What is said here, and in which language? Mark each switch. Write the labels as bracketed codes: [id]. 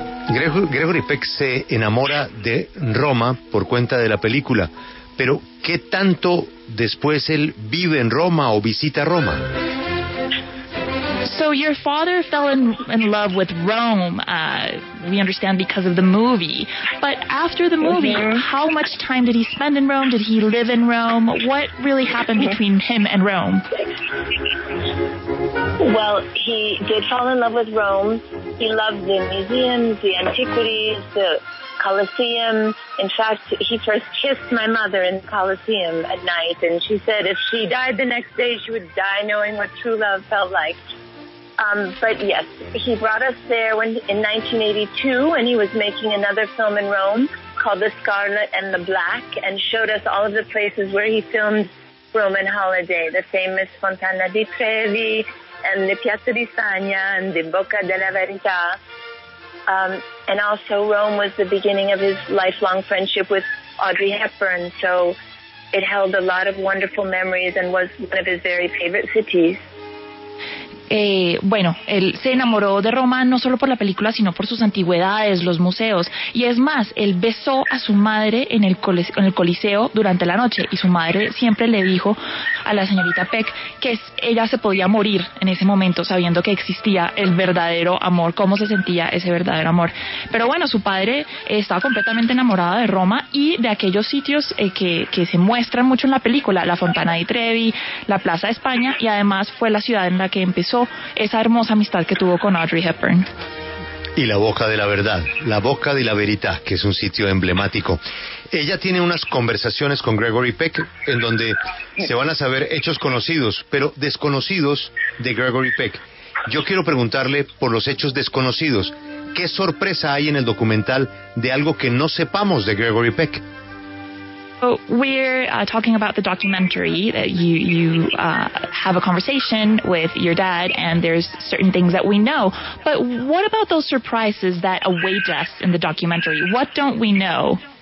[es] Gregory Peck se enamora de Roma por cuenta de la película, pero ¿qué tanto después él vive en Roma o visita Roma? [en] So your father fell in love with Rome, we understand, because of the movie. But after the movie, how much time did he spend in Rome? Did he live in Rome? What really happened between him and Rome? Well, he did fall in love with Rome. He loved the museums, the antiquities, the Colosseum. In fact, he first kissed my mother in the Colosseum at night, and she said if she died the next day, she would die knowing what true love felt like. But yes, he brought us there when in 1982 when he was making another film in Rome called The Scarlet and the Black, and showed us all of the places where he filmed Roman Holiday, the famous Fontana di Trevi and the Piazza di Spagna and the Bocca della Verità. And also Rome was the beginning of his lifelong friendship with Audrey Hepburn, so it held a lot of wonderful memories and was one of his very favorite cities. [es] Bueno, él se enamoró de Roma no solo por la película, sino por sus antigüedades, los museos. Y es más, él besó a su madre en el Coliseo durante la noche. Y su madre siempre le dijo a la señorita Peck que ella se podía morir en ese momento sabiendo que existía el verdadero amor, cómo se sentía ese verdadero amor. Pero bueno, su padre estaba completamente enamorado de Roma y de aquellos sitios que se muestran mucho en la película, la Fontana di Trevi, la Plaza de España, y además fue la ciudad en la que empezó esa hermosa amistad que tuvo con Audrey Hepburn. Y la Boca de la Verdad, la Boca de la Verità, que es un sitio emblemático. Ella tiene unas conversaciones con Gregory Peck en donde se van a saber hechos conocidos, pero desconocidos de Gregory Peck. Yo quiero preguntarle por los hechos desconocidos. ¿Qué sorpresa hay en el documental de algo que no sepamos de Gregory Peck? [en] We're talking about the documentary that you have a conversation with your dad, and there's certain things that we know. But what about those surprises that await us in the documentary? What don't we know?